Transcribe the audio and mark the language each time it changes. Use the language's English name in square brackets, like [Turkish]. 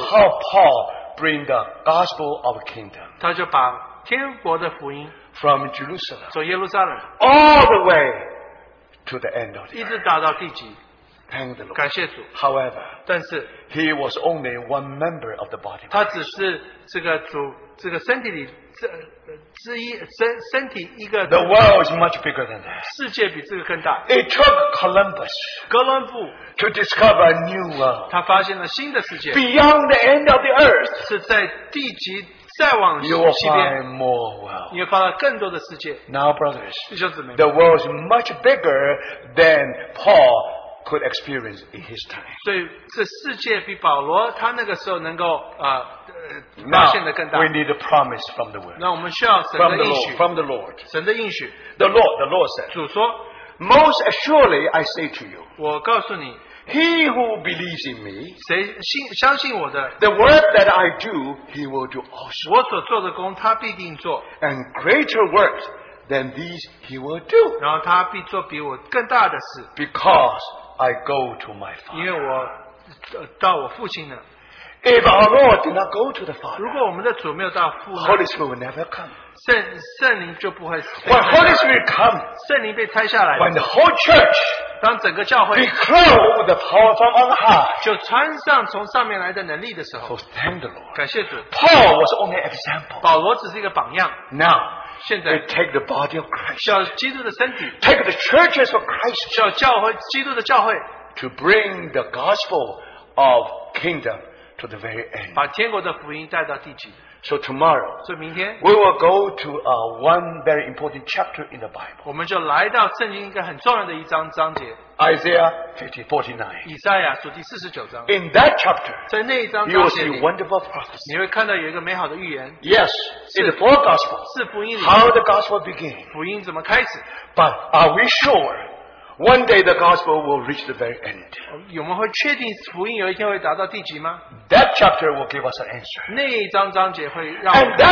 [English] How Paul bring the gospel of kingdom. [Chinese] 他就把天国的福音 [English] from Jerusalem. [Chinese] 从耶路撒冷, [English] all the way to the end of the earth. [Chinese] 一直打到地极。 [English] Thank the Lord. [Chinese] 感谢主。 [English] However, [Chinese] 但是, [English] he was only one member of the body. [Chinese] 他只是这个主, 这个身体里, 这, 之一, 身体一个, [English] the world is much bigger than that. [Chinese] 世界比这个更大。 [English] It took Columbus, [Chinese] 哥伦布, [English] to discover a new world. [Chinese] 他发现了新的世界。 [English] Beyond the end of the earth, [Chinese] 是在地极, 再往西边, [English] you will find more world. Now, brothers, [Chinese] 弟兄姊妹, [English] the world is much bigger than Paul could experience in his time. [Chinese] 所以这世界比保罗他那个时候能够, [English] now, we need a promise from the word. [Chinese] 那我们需要神的应许, [English] from the Lord. [Chinese] 神的应许, [English] the Lord said, [Chinese] 主说, [English] most assuredly I say to you, [Chinese] 我告诉你, [English] he who believes in me, [Chinese] 谁信, 相信我的, [English] the work that I do, he will do also. [Chinese] 我所做的工, [English] and greater works than these he will do. [Chinese] 然后他必做比我更大的事, [English] because I go to my Father. [Chinese] 因为我到我父亲了。 [English] If our Lord did not go to the Father, [Chinese] 如果我们的主没有到父呢, [English] Holy Spirit will never come. [Chinese] 圣灵就不会死。 [English] When Holy Spirit comes, [Chinese] 圣灵被拆下来了, [English] when the whole church, [Chinese] 当整个教会, [English] be clothed with the power from on high, [Chinese] 就穿上从上面来的能力的时候, [English] so thank the Lord. [Chinese] 感谢主, [English] Paul was only an example. [Chinese] 保罗只是一个榜样。 [English] Now, [Chinese] 现在, [English] take the body of Christ, [Chinese] 叫基督的身体, [English] take the churches of Christ, [Chinese] 叫教会, 基督的教会, [English] to bring the gospel of kingdom to the very end. [Chinese] 把天国的福音带到地极。 [English] So tomorrow, [Chinese] 所以明天, [English] we will go to one very important chapter in the Bible. [Chinese] 我们就来到圣经一个很重要的一章章节。 [English] Isaiah 49. [Chinese] 以赛亚书第49章。 [English] In that chapter, [Chinese] 在那一章章节里, [English] you will see wonderful prophecy. [Chinese] 你会看到有一个美好的预言。 [English] Yes, [Chinese] 是, [English] in the four gospels, [Chinese] 是福音里, [English] how the gospel began, [Chinese] 福音怎么开始? [English] But are we sure? One day the gospel will reach the very end. [Chinese] 我们会确定福音有一天会达到地极吗? [English] That chapter will give us an answer. [Chinese] 那一章章节会让我们知道,